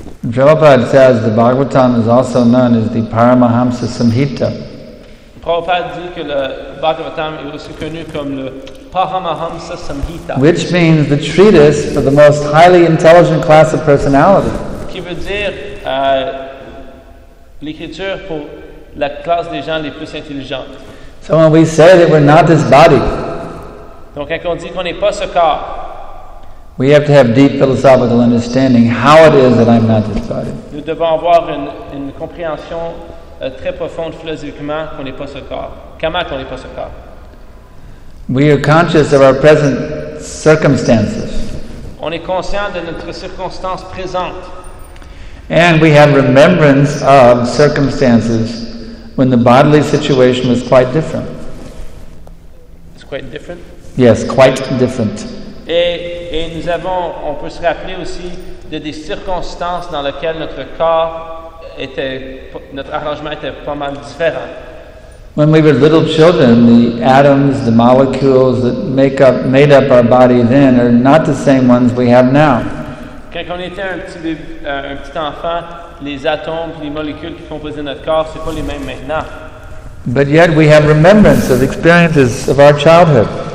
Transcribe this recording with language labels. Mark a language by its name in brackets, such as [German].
[English] Prabhupada says the Bhagavatam is also known as the Paramahamsa Samhita. [French] Prabhupada dit que le Bhagavatam est aussi connu comme le Paramahamsa Samhita. [English] Which means the treatise for the most highly intelligent class of personality. [French] Qui veut dire l'écriture pour la classe des gens les plus intelligents. [English] So when we say that we're not this body, [French] donc quand on dit qu'on n'est pas ce corps, [English] we have to have deep philosophical understanding how it is that I'm not this body. [French] Nous devons avoir une compréhension très profonde philosophiquement qu'on n'est pas ce corps. Comment qu'on n'est pas ce corps? [English] We are conscious of our present circumstances. [French] On est conscient de notre circonstance présente. [English] And we have remembrance of circumstances when the bodily situation was quite different. It's quite different? Yes, quite different. [French] Et nous avons, on peut se rappeler aussi de des circonstances dans lesquelles notre corps était, notre arrangement était pas mal différent. [English] When we were little children, the atoms, the molecules that made up our body then are not the same ones we have now. [French] Quand on était un petit enfant, les atomes et les molécules qui composaient notre corps, c'est pas les mêmes maintenant. [English] But yet we have remembrance of experiences of our childhood.